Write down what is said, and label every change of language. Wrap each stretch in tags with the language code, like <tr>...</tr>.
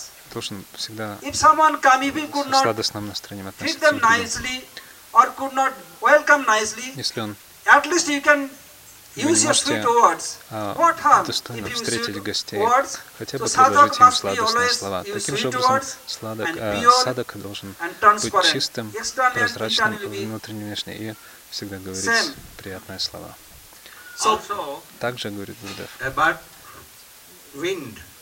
<ru>Должен всегда с сладостным настроением относиться к людям. Если он</ru> <en>at least you can use your sweet words. What harm?</en> <ru>Достойно встретить гостей, хотя бы предложить им сладостные слова. Таким же образом, садок должен быть чистым, прозрачным, внутренним, внешним, и всегда говорить приятные слова. Также говорит Гурудев.</ru>